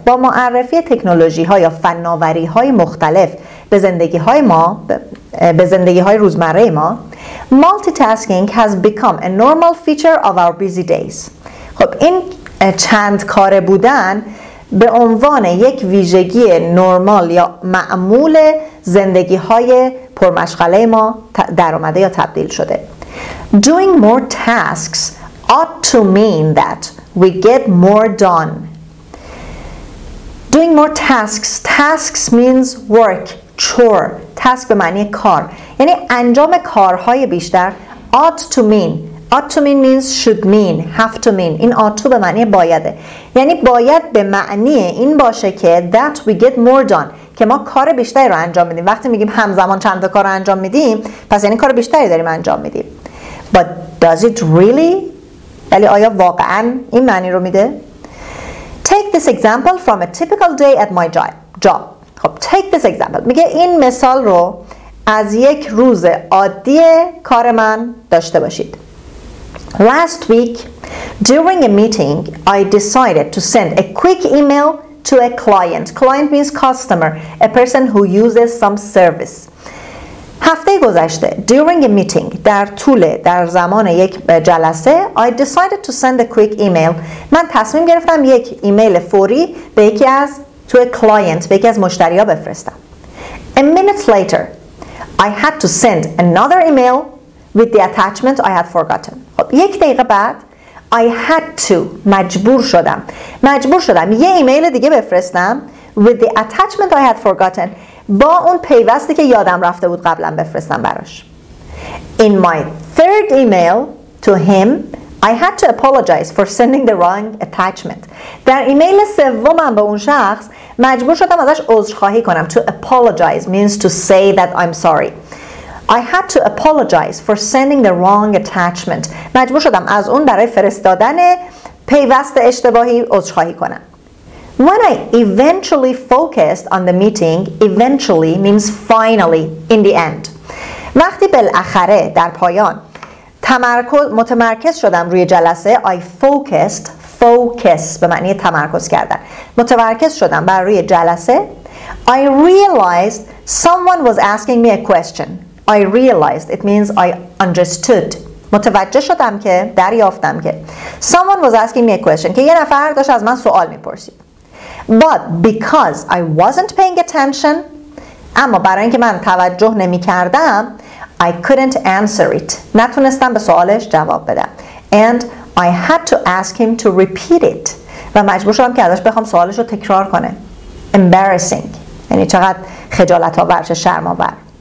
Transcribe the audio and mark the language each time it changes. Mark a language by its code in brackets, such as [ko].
[fa] با معرفی تکنولوژی ها یا فناوری های مختلف به زندگی های ما، به زندگی های روزمره ما. [en] Multitasking has become a normal feature of our busy days. [fa] خب این چند کار بودن به عنوان یک ویژگی نرمال یا معمول زندگی های پرمشغله ما در اومده یا تبدیل شده. [en] Doing more tasks ought to mean that we get more done. Doing more tasks. Tasks means work, chore. [fa] Task به معنی کار. یعنی انجام کارهای بیشتر [en] ought to mean. Ought to mean means should mean, have to mean. [fa] این [en] ought to [fa] به معنی بایده. یعنی باید به معنی این باشه که [en] that we get more done. [fa] که ما کار بیشتری رو انجام میدیم. وقتی میگیم همزمان چند تا کار رو انجام میدیم، پس یعنی کار بیشتری داریم انجام میدیم. [en] But does it really? [fa] ولی آیا واقعا این معنی رو میده؟ [en] Take this example from a typical day at my job. خب take this example. [fa] میگه این مثال رو از یک روز عادی کار من داشته باشید. [en] Last week, during a meeting, I decided to send a quick email to a client. Client means customer, a person who uses some service. [fa] هفته گذشته [en] during a meeting [fa] در زمان یک جلسه [en] I decided to send a quick email. [fa] من تصمیم گرفتم یک ایمیل فوری به یکی از [en] to a client، [fa] به یکی از مشتری ها بفرستم. [en] A minute later I had to send another email with the attachment I had forgotten. [fa] خب یک دقیقه بعد [en] I had to. [fa] مجبور شدم. مجبور شدم. یه ایمیل دیگه بفرستم. [en] With the attachment I had forgotten. [fa] با اون پیوستی که یادم رفته بود قبلا بفرستم براش. [en] In my third email to him, I had to apologize for sending the wrong attachment. [fa] در ایمیل سومم به اون شخص مجبور شدم ازش عذرخواهی کنم. [en] To apologize means to say that I'm sorry. I had to apologize for sending the wrong attachment. [fa] مجبور شدم از اون برای فرستادن پیوست اشتباهی عذرخواهی کنم. [en] When I eventually focused on the meeting, eventually means finally, in the end. [fa] وقتی بالاخره در پایان متمرکز شدم روی جلسه [en] I focused, [fa] focus به معنی تمرکز کردن متمرکز شدم بر روی جلسه [en] I realized someone was asking me a question I realized, it means I understood [fa] متوجه شدم که دریافتم که [en] Someone was asking me a question [fa] که یه نفر داشت از من سوال میپرسید [en] But because I wasn't paying attention [fa] اما برای اینکه من توجه نمی کردم [en] I couldn't answer it. [fa] نتونستم به سوالش جواب بدم. [en] And I had to ask him to repeat it. [fa] و مجبور شدم که ازش بخوام سوالش رو تکرار کنه. [en] Embarrassing. [fa] یعنی چقدر خجالت آور، چه شرم آور.